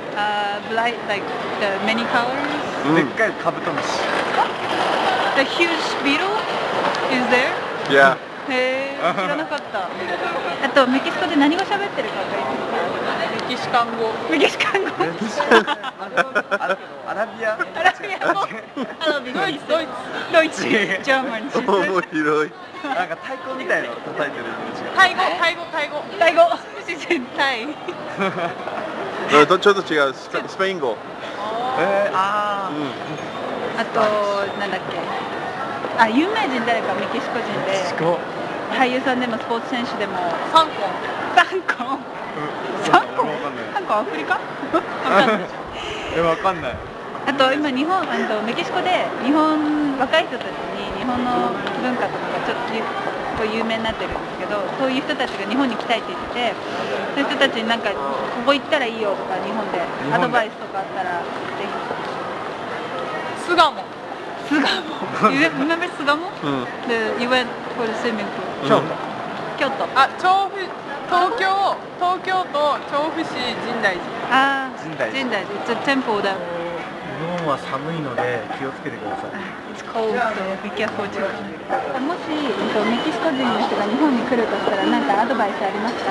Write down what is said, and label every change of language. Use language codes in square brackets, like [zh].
[en] Bright, like the many colors. [ja] でっかいカブトムシ。 [en] The huge beetle is there? Yeah. [ja] 知らなかった。あとメキシコで何語喋ってるか分かりますか？メキシカン語。メキシカン語。アラビア。アラビア語。ドイツ。ドイツ。ジャーマン。面白い。なんか太鼓みたいな叩いてる。タイ語。タイ語。自然タイ。ちょっと違う。スペイン語。ああ。あとなんだっけ。あ、有名人誰か、メキシコ人で。メキシコ。俳優さんでもスポーツ選手でも。サンコン。サンコン。サンコン。サンコンアフリカ？わかんない。あと今日本、メキシコで日本若い人たちに日本の文化とかがちょっと有名になってるんですけど、そういう人たちが日本に来たいって言ってて、そういう人たちになんかここ行ったらいいよとか、日本でアドバイスとかあったらぜひ。スガモ。スガモ。 [en] remember スガモ？で、you went for the swimming pool。 [ja] 京都。あ、調布、東京都調布市神代寺。 [en] あ、神代寺。It's a temple there。 [ja] 日本は寒いので気をつけてください。 [en] It's cold, so be careful too。 [ja] もしメキシコ人の人が日本に来るとしたら、何かアドバイスありますか？